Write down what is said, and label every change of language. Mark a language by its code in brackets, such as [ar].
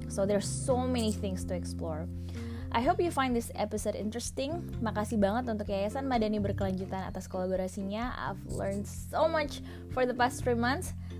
[en] So there are so many things to explore. I hope you find this episode interesting. [id] Makasih banget untuk Yayasan Madani Berkelanjutan atas kolaborasinya. [en] I've learned so much for the past 3 months.